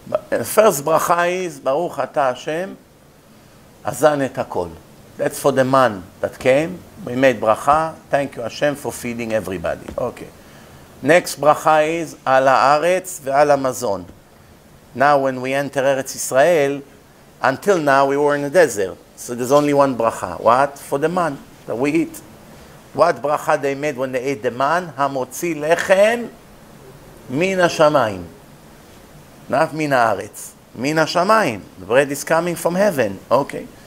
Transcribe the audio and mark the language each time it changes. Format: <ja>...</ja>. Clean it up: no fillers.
<he>First ברכה is, ברוך אתה השם, אזן את הכל.</he> <en>That's for the man that came. We made ברכה. Thank you, Hashem, for feeding everybody. Okay. Next bracha is</en> <he>על הארץ ועל המזון.</he> <en>Now when we enter Eretz Israel, until now we were in the desert. So there's only one bracha. What? For the man that we eat. What bracha they made when they ate the man?</en> <he>Hamotzi lechem min ha-shamayim.</he> <en>Not min ha-aretz. Min ha-shamayim. The bread is coming from heaven. Okay.</en>